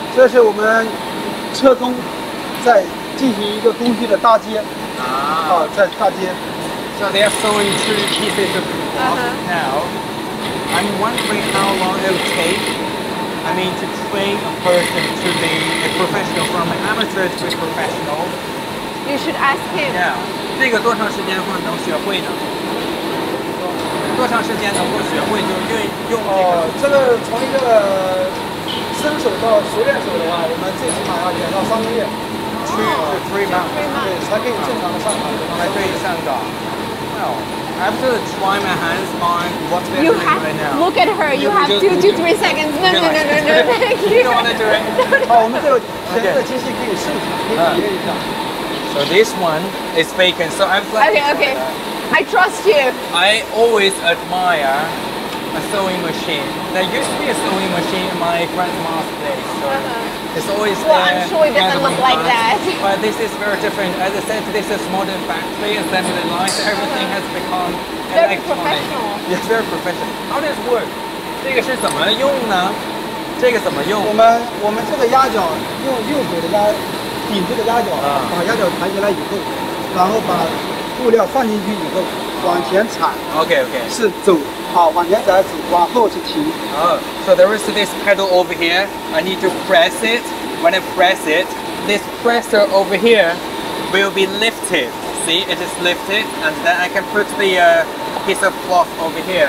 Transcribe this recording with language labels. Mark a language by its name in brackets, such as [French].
[Chinese] 这是我们车工在进行一个工序的大街。在大街。 [English] So they are sewing two pieces of cloth now. I'm wondering how long it will take. I mean, to train a person to be a professional from an amateur to a professional. You should ask him. Yeah. [Chinese] 这个多长时间会能学会呢？多长时间能够学会就用这个？这个从一个新手到熟练手的话，我们最起码要两到三个月。 [English] Three months [Chinese] 才可以正常的上岗。才可以上岗。 [English] I have to try my hands on what they're you doing have, right now. Look at her, you have just, two, 3 seconds. No, thank you. You don't want to do it? So this one is vacant, so I'm glad. Okay. I trust you. I always admire a sewing machine. There used to be a sewing machine in my grandma's place. So it's always there. Well, I'm sure it doesn't look like that. But this is very different. As I said, this is modern factory assembly line. So everything has become very professional. Yes, very professional. How does it work? [Chinese] 这个是怎么用呢？这个怎么用？我们这个压脚用右手的压，顶这个压脚，把压脚抬起来以后，然后把。布料放进去以后，往前铲。 [English] OK。 [Chinese] 是走，往前踩走，往后是停。 [English] So there is this pedal over here. I need to press it. When I press it, this presser over here will be lifted. See, it is lifted, and then I can put the piece of cloth over here.